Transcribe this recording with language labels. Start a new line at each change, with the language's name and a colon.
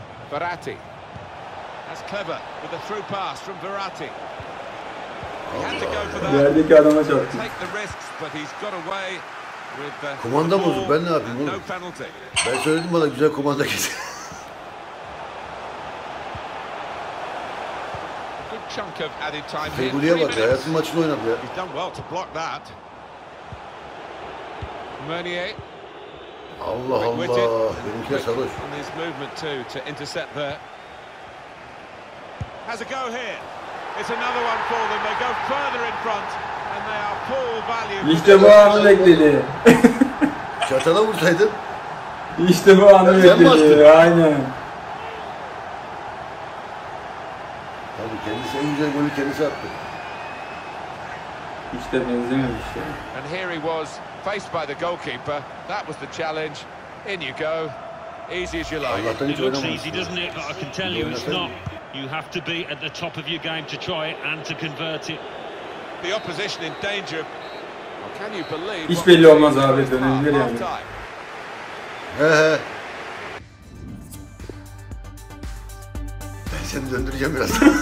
English: Verratti. That's clever with a through pass from Verratti. He had to go for that.
Turkish: Yani iki adama çarptı.
English: Take the risks, but he's got away with the ball.
Turkish: Kumanda bozuk. Ben ne yapayım oğlum?
English: No penalty.
Turkish: Ben söyledim bana güzel kumanda getir.
English: Good chunk of added time.
Turkish: Feguli'ye bak ya. Hayatın maçını oynadı ya.
English: He's done well to block that. Meunier.
Turkish: Allah Allah. Benimki sarhoş.
English: And his movement too to intercept there. Has a go here. It's another one for them. They go further in front and they are poor value.
Turkish: İşte bu anı bekledi. Şartada vursaydın. İşte bu anı bekledi. Aynen. Abi kendisi en güzel golü kendisi attı. Hiç de benzememiş ya.
English: And here he was. Faced by the goalkeeper, that was the challenge. In you go, easy as you like. It looks easy, doesn't it? I can tell you it's not. You have to be at the top of your game to try it and to convert it. The opposition in danger. Can you believe?
Turkish: Hiç belli olmaz abi, dönebilir yani. Ben seni döndüreceğim biraz.